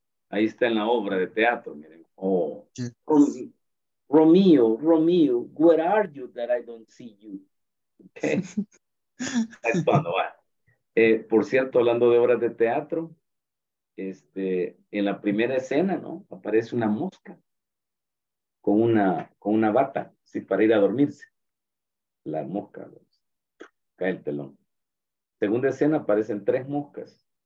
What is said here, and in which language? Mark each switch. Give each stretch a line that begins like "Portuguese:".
Spanish: Ahí está en la obra de teatro, miren. Oh.
English: Yes. Romeo, where are you that I don't see you?
Spanish: Okay. Es cuando va. Por cierto, hablando de obras de teatro, este, en la primera escena, ¿no? Aparece una mosca. Con una bata, sí, para ir a dormirse. La mosca, pues, cae el telón. Segunda escena, aparecen tres moscas.